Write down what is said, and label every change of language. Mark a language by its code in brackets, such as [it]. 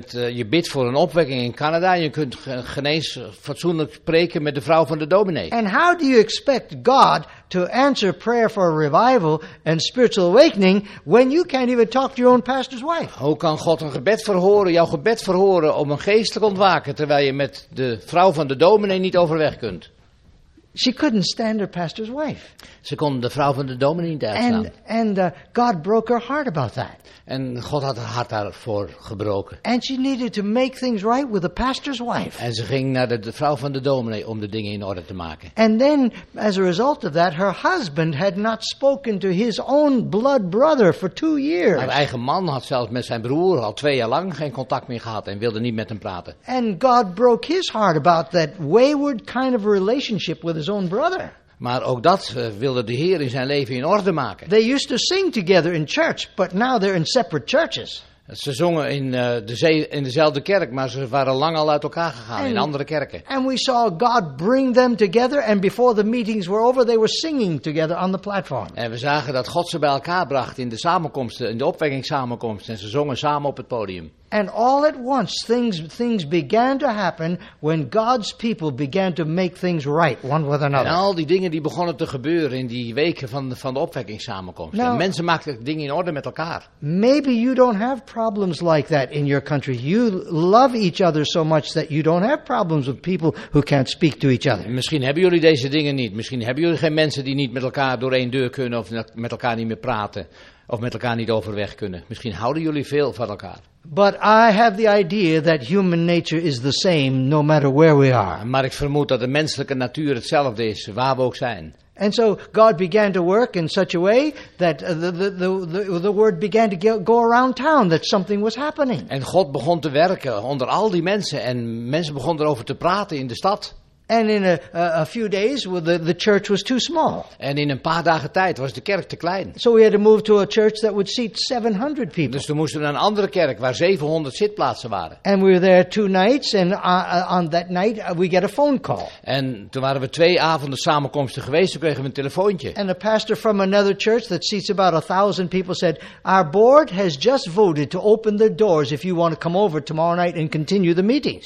[nl] Je bidt voor een opwekking in Canada en je kunt geen eens fatsoenlijk spreken met de vrouw van de dominee. [en] And how do you expect God to answer prayer for a revival and spiritual awakening when you can't even talk to your own pastor's wife? [nl] Hoe kan God jouw gebed verhoren om een geestelijk ontwaken terwijl je met de vrouw van de dominee niet overweg kunt? [en] She couldn't stand her pastor's wife. [nl] Ze kon de vrouw van de dominee niet uitstaan. [en] And God broke her heart about that. [nl] En God had haar hart daarvoor gebroken. [en] And she needed to make things right with the pastor's wife. [nl] En ze ging naar de vrouw van de dominee om de dingen in orde te maken. [en] And then, as a result of that, her husband had not spoken to his own blood brother for 2 years. [nl] Haar eigen man had zelfs met zijn broer al 2 jaar lang geen contact meer gehad en wilde niet met hem praten. [en] And God broke his heart about that wayward kind of relationship with his own brother. [nl] Maar ook dat wilde de Heer in zijn leven in orde maken. [en] They used to sing together in church, but now they're in separate churches. [nl] Ze zongen in dezelfde kerk, maar ze waren lang al uit elkaar gegaan in andere kerken. [en] And we saw God bring them together, and before the meetings were over, they were singing together on the platform. [nl] En we zagen dat God ze bij elkaar bracht in de samenkomsten, in de opwekkingssamenkomst, en ze zongen samen op het podium. [en] And all at once things began to happen when God's people began to make things right one with another. [nl] En al die dingen die begonnen te gebeuren in die weken van de opwekkingssamenkomst. Now, en mensen maakten dingen in orde met elkaar. [en] Maybe you don't have problems like that in your country. You love each other so much that you don't have problems with people who can't speak to each other. [nl] Misschien hebben jullie deze dingen niet. Misschien hebben jullie geen mensen die niet met elkaar door één deur kunnen of met elkaar niet meer praten. Of met elkaar niet overweg kunnen. Misschien houden jullie veel van elkaar. [en] But I have the idea that human nature is the same no matter where we are. [nl] Maar ik vermoed dat de menselijke natuur hetzelfde is, waar we ook zijn. [en] And so God began to work in such a way that the word began to go around town that something was happening. [nl] En God begon te werken onder al die mensen en mensen begonnen erover te praten in de stad. [en] And in a few days, the church was too small. [nl] En in een paar dagen tijd was de kerk te klein. [en] So we had to move to a church that would seat 700 people. [nl] Dus we moesten naar een andere kerk waar 700 zitplaatsen waren. [en] And we were there 2 nights, and on that night we get a phone call. [nl] En toen waren we 2 avonden samenkomsten geweest, toen kregen we een telefoontje. [en] And a pastor from another church that seats about 1,000 people said, our board has just voted to open the doors if you want to come over tomorrow night and continue the meetings.